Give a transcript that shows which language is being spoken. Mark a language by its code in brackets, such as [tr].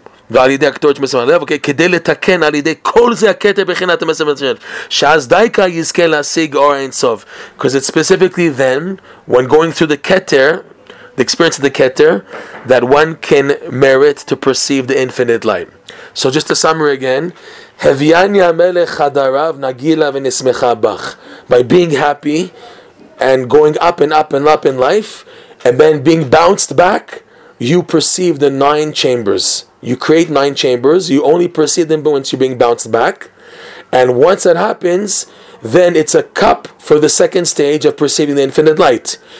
[en] Okay, [he] כדי לתקן על ידי כל זה הכתר בחינת המסמל, שאז דייקה יזכה להשיג אור אינסוף. [en] Because it's specifically then, when going through the Keter, the experience of the Keter, that one can merit to perceive the infinite light. So just to summary again, [he] הביאני המלך חדריו נגילה ונשמחה בך. [en] By being happy, and going up and up and up in life, and then being bounced back, you perceive the nine chambers. You create nine chambers. You only perceive them once you're being bounced back. And once that happens, then it's a cup for the second stage of perceiving the infinite light.